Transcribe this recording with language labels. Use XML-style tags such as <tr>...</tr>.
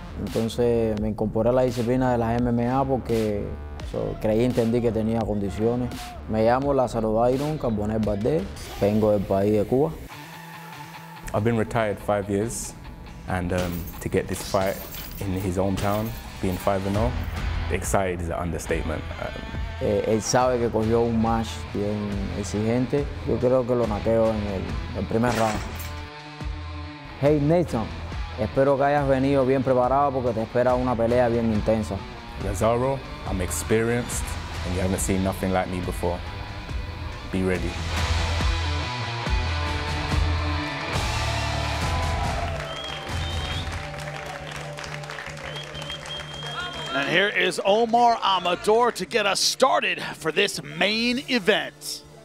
<es>Entonces me incorporé a la disciplina de las MMA porque creí y entendí que tenía condiciones. Me llamo Lazaro Dayron Carbonel Valdez, vengo del país de Cuba.</es> <en>I've been retired 5 years, and to get this fight in his hometown, being 5-0, excited is an understatement.</en> <es>Él sabe que cogió un match bien exigente. Yo creo que lo noqueo en el primer round.</es> <en>Hey Nathan.</en> <es>Espero que hayas venido bien preparado porque te espera una pelea bien intensa.</es> <en>Lazaro, I'm experienced and you haven't seen nothing like me before. Be ready. And here is Omar Amador to get us started for this main event.</en>